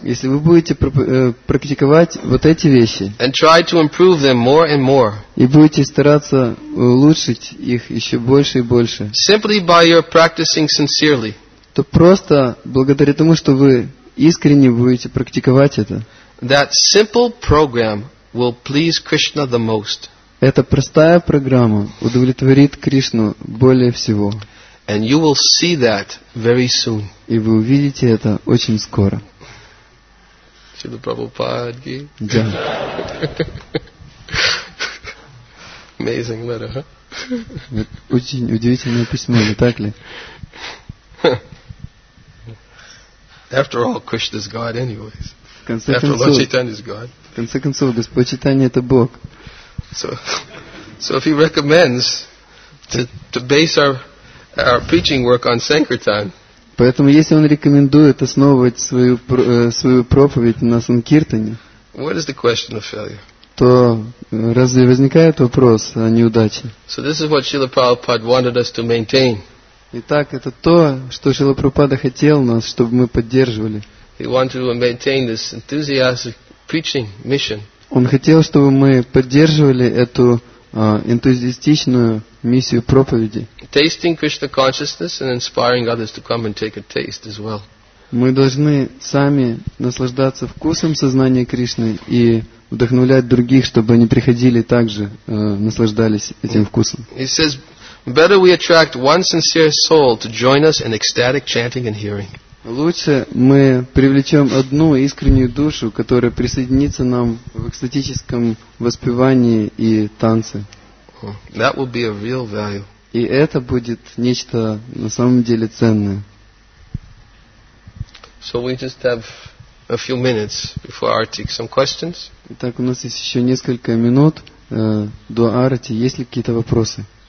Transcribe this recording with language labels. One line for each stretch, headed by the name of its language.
Russian: если вы будете практиковать вот эти вещи,
English: and try to improve them more and more,
Russian: и будете стараться улучшить их еще больше и больше,
English: simply by your practicing sincerely,
Russian: то просто благодаря тому, что вы искренне будете практиковать это,
English: that simple program will please Krishna the most.
Russian: Эта простая программа удовлетворит Кришну более всего.
English: And you will see that very soon.
Russian: И вы увидите это очень скоро. Шрила Прабхупада ки. Да.
English: Amazing letter, huh?
Russian: Очень удивительное письмо, не так ли?
English: After all, Krishna is God anyways. After Lord Chaitanya is God.
Russian: В конце концов, Господь Чайтанья – это Бог.
English: So if he recommends to base our preaching work on sankirtan.
Russian: Поэтому если он рекомендует основывать свою проповедь на санкиртане,
English: What is the question of failure?
Russian: То разве возникает вопрос о неудаче?
English: So this is what Srila Prabhupada wanted us to maintain.
Russian: Итак, это то, что Шрила Прабхупада хотел нас, чтобы мы поддерживали.
English: He wanted to maintain this enthusiastic preaching mission.
Russian: Он хотел, чтобы мы поддерживали эту энтузиастичную миссию проповеди.
English: Tasting Krishna consciousness and inspiring others to come and take a taste as well.
Russian: Мы должны сами наслаждаться вкусом сознания Кришны и вдохновлять других, чтобы они приходили также, наслаждались этим вкусом.
English: He says, better we attract one sincere soul to join us in ecstatic chanting and hearing.
Russian: Лучше мы привлечем одну искреннюю душу, которая присоединится нам в экстатическом воспевании и танце.
English: That will be a real value.
Russian: И это будет нечто на самом деле ценное.
English: So we just have a few minutes before Arati. Some questions?
Russian: Итак, у нас есть еще несколько минут до Арати. Есть ли какие-то вопросы?